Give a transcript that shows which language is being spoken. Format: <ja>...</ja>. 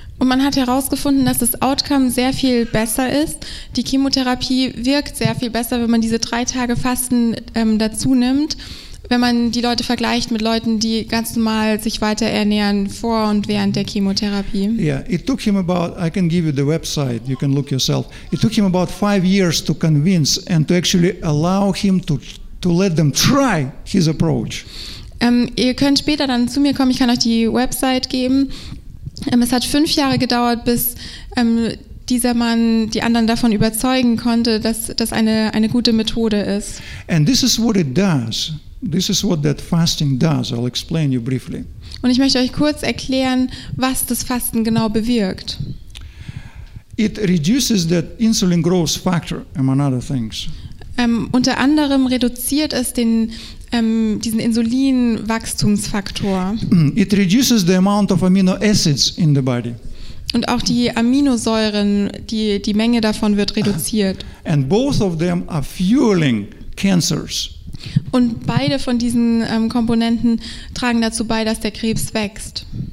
<de>Und man hat herausgefunden, dass das Outcome sehr viel besser ist. Die Chemotherapie wirkt sehr viel besser, wenn man diese 3 Tage Fasten dazu nimmt, wenn man die Leute vergleicht mit Leuten, die ganz normal sich weiter ernähren vor und während der Chemotherapie.</de> <en>Yeah, it took him about, I can give you the website, you can look yourself. It took him about 5 years to convince and to actually allow him to let them try his approach.</en> <de>Ihr könnt später dann zu mir kommen, ich kann euch die Website geben. Es hat 5 Jahre gedauert, bis dieser Mann die anderen davon überzeugen konnte, dass das eine gute Methode ist.</de> <en>And this is what it does. This is what that fasting does. I'll explain you briefly.</en> <de>Und ich möchte euch kurz erklären, was das Fasten genau bewirkt.</de> <en>It reduces that insulin growth factor, among other things.</en> <de>Unter anderem reduziert es den diesen Insulinwachstumsfaktor.</de> <en>It reduces the amount of amino acids in the body.</en> <de>Und auch die Aminosäuren, die Menge davon wird reduziert.</de> <en>And both of them are fueling cancers.</en> <de>Und beide von diesen Komponenten tragen dazu bei, dass der Krebs wächst.</de>